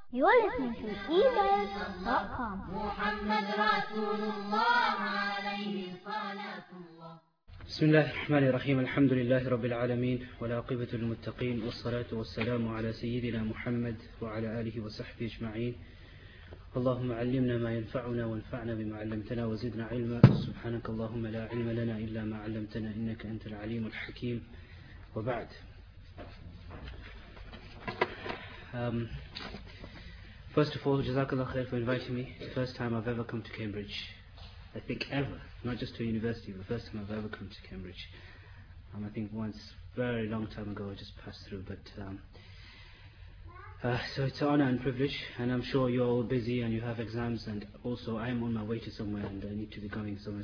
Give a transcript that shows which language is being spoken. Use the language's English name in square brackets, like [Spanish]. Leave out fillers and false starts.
[English] You're listening to ebuzz.com. [Arabic] محمد رسول الله عليه الصلاة. بسم الله الرحمن الرحيم. الحمد لله رب العالمين والعاقبة للمتقين والصلاة والسلام على سيدنا محمد وعلى آله وصحبه أجمعين. اللهم علمنا ما ينفعنا وانفعنا بما علمتنا وزدنا علما. سبحانك اللهم لا علم لنا إلا ما علمتنا إنك أنت العليم الحكيم. [English] وبعد, first of all, [Arabic] جزاك الله خير [English] for inviting me. The first time I've ever come to Cambridge, I think ever, not just to a university, but the first time I've ever come to Cambridge. I think once, very long time ago, I just passed through. But so it's an honor and privilege, and I'm sure you're all busy and you have exams, and also I'm on my way to somewhere and I need to be going somewhere.